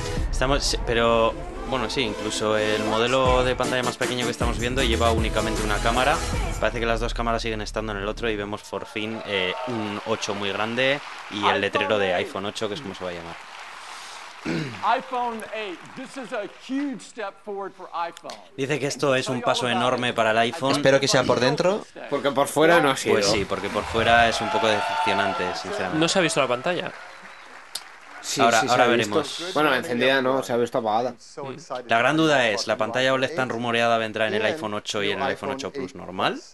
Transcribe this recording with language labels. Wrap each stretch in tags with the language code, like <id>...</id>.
<es>Estamos, pero bueno, sí, incluso el modelo de pantalla más pequeño que estamos viendo lleva únicamente una cámara. Parece que las dos cámaras siguen estando en el otro y vemos por fin un 8 muy grande y el letrero de iPhone 8, que es como se va a llamar. iPhone 8.</es> <en>This is a huge step forward for iPhone.</en> <es>Dice que esto es un paso enorme para el iPhone. Espero que sea por dentro, porque por fuera no ha sido. Pues sí, porque por fuera es un poco decepcionante, sinceramente. ¿No se ha visto la pantalla? Sí, ahora sí, ahora veremos. Bueno, encendida no, se ha visto apagada. La gran duda es, ¿la pantalla OLED tan rumoreada vendrá en el iPhone 8 y en el iPhone 8 Plus normal?</es>